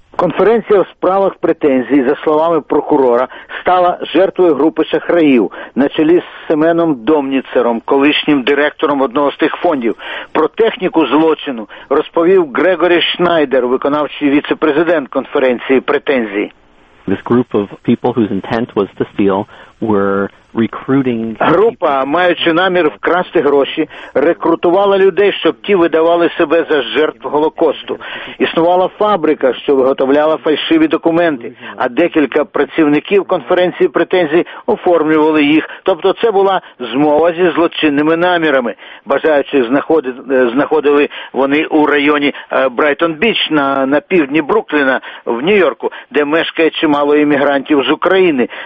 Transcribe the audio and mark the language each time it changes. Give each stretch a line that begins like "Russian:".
Ukrainian: Конференція у справах претензій, за словами прокурора, стала жертвою групи шахраїв на чолі з Семеном Домніцером, колишнім директором одного з тих фондів. Про техніку злочину розповів Грегорі Шнайдер, виконавчий віце-президент конференції претензій.
English: This group of people whose intent was to steal were recruiting.
Ukrainian: Група, маючи намір вкрасти гроші, рекрутувала людей, щоб ті видавали себе за жертв Голокосту. Існувала фабрика, що виготовляла фальшиві документи, а декілька працівників конференції претензій оформлювали їх. Тобто це була змова зі злочинними намірами. Бажаючи знаходили вони у районі Брайтон-Біч на півдні Брукліна в Нью-Йорку, де мешкає чимало іммігрантів з України.